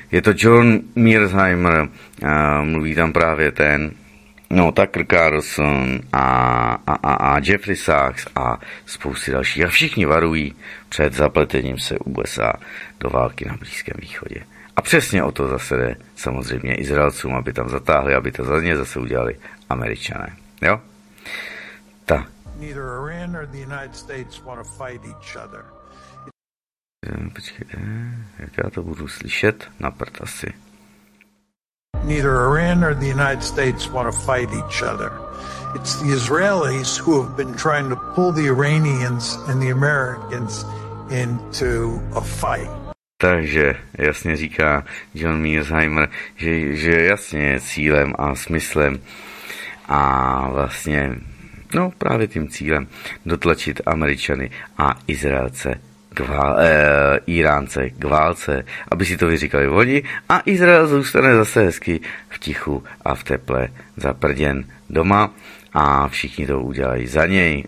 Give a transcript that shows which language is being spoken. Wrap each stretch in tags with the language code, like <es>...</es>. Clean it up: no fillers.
<cs>Je to John Mearsheimer, mluví tam právě ten, no, Tucker Carlson a Jeffrey Sachs a spousty dalších. A všichni varují před zapletením se USA do války na Blízkém východě. A přesně o to zase jde samozřejmě Izraelcům, aby tam zatáhli, aby to za ně zase udělali Američané. Jo? Tak.</cs> <en>Neither Iran nor the United States want to fight each other.</en> <cs>Počkejte, jak já to budu slyšet na prd asi.</cs> <en>Neither Iran nor the United States want to fight each other. It's the Israelis who have been trying to pull the Iranians and the Americans into a fight.</en> <cs>Takže jasně říká John Mearsheimer, že jasně cílem a smyslem a vlastně, no, právě tím cílem dotlačit Američany a Izraelce Iránce k válce, aby si to vyříkali oni, a Izrael zůstane zase hezky v tichu a v teple zaprděn doma a všichni to udělají za něj.</cs>